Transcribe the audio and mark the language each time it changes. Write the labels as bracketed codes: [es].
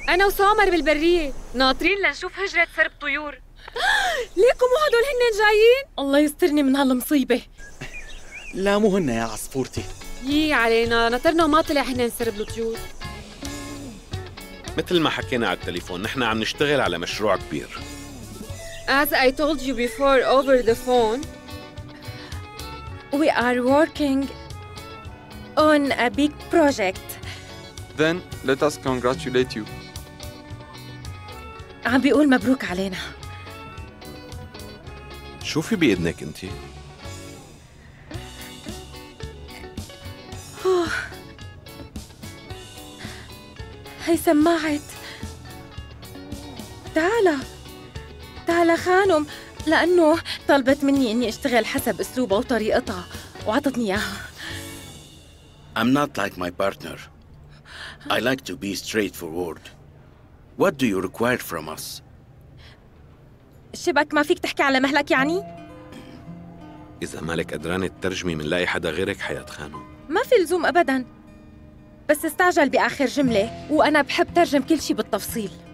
[ar] أنا وسامر بالبرية ناطرين لنشوف هجرة سرب طيور. ليكم مو هدول هنن جايين؟ الله يسترني من هالمصيبة. لا مو هن يا عصفورتي. يي علينا، نطرنا ما طلع هنن سرب الطيور. مثل ما حكينا على التليفون، نحن عم نشتغل على مشروع كبير. [en] As I told you before over the phone, we are working on a big project. Then let us congratulate you. [ar] عم بيقول مبروك علينا. شوفي بإذنك انت. هي سماعت. تعالى تعالى خانم، لأنه طلبت مني أني أشتغل حسب أسلوبها وطريقتها وعطتني إياها. [en] I'm not like my partner. I like to be straightforward. What do you require from us? [ar] شبك ما فيك تحكي على مهلك يعني؟ إذا مالك قدران الترجمة منلاقي حدا غيرك حياة خانم. ما في لزوم أبداً، بس استعجل بآخر جملة وأنا بحب ترجم كل شي بالتفصيل.